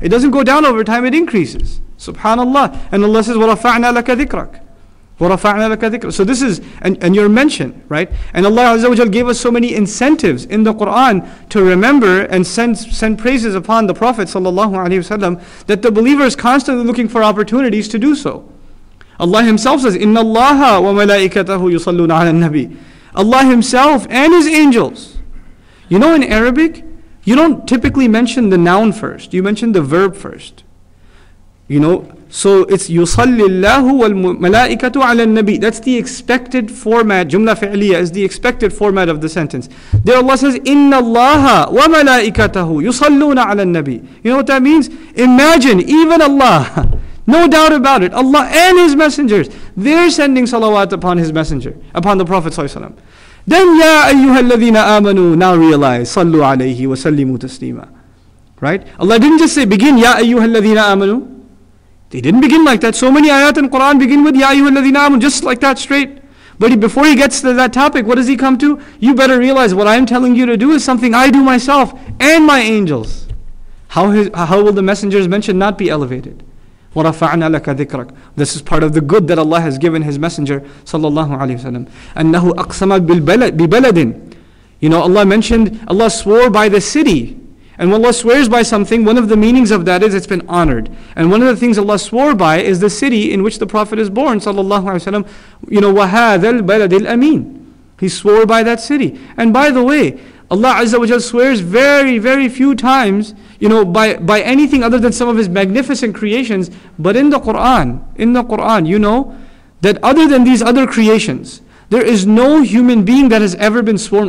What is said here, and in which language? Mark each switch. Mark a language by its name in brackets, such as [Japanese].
[English] It doesn't go down over time, it increases. Subhanallah. And Allah says, [Arabic] وَرَفَعْنَا لَكَ ذِكْرَكَ وَرَفَعْنَا لَكَ ذِكْرَكَ. [English] So this is, and your mention, right? And Allah Azza wa Jal gave us so many incentives in the Qur'an to remember and send praises upon the Prophet sallallahu alayhi wa sallam, that the believer is constantly looking for opportunities to do so. Allah Himself says, [Arabic] إِنَّ اللَّهَ وَمَلَائِكَتَهُ يُصَلُّونَ عَلَى النَّبِيِّ. [English] Allah Himself and His angels. You know, in Arabic, you don't typically mention the noun first. You mention the verb first. You know, so it's [Arabic] يُصَلِّ اللَّهُ وَالْمَلَائِكَةُ عَلَى النَّبِيِّ. [English] That's the expected format. جُمْلَة فِعْلِيَّة is the expected format of the sentence. There Allah says, [Arabic] إِنَّ اللَّهَ وَمَلَائِكَتَهُ يُصَلُّونَ عَلَى النَّبِيِّ. [English] You know what that means? Imagine, even Allah, no doubt about it, Allah and His messengers, they're sending salawat upon His messenger, upon the Prophet ﷺ. Then [Arabic] يَا أَيُّهَا الَّذِينَ آمَنُوا, [English] now realize, [Arabic] صَلُّوا عَلَيْهِ وَسَلِّمُوا تَسْلِيمًا. [English] Right? Allah didn't just say, begin, [Arabic] يَا أَيُّهَا الَّذِينَ آمَنُوا. [English] They didn't begin like that. So many ayat in Quran begin with [Arabic] يَا أَيُّهَا الَّذِينَ آمَنُوا, [English] just like that, straight. But before he gets to that topic, what does he come to? You better realize what I'm telling you to do is something I do myself and my angels. How will the messenger's mention not be elevated? [Arabic] وَرَفَعْنَا لَكَ ذِكْرَكَ. [English] This is part of the good that Allah has given His Messenger sallallahu alayhi wa sallam. [Arabic] أَنَّهُ أَقْسَمَ بِبَلَدٍ. [English] You know, Allah mentioned, Allah swore by the city. And when Allah swears by something, one of the meanings of that is it's been honored. And one of the things Allah swore by is the city in which the Prophet is born sallallahu alayhi wa sallam. You know, [Arabic] وَهَذَا الْبَلَدِ الْأَمِينَ. [English] He swore by that city. And by the way, Allah Azza wa Jal swears very, very few times, you know, by anything other than some of His magnificent creations. But in the Qur'an, you know, that other than these other creations, there is no human being that has ever been sworn.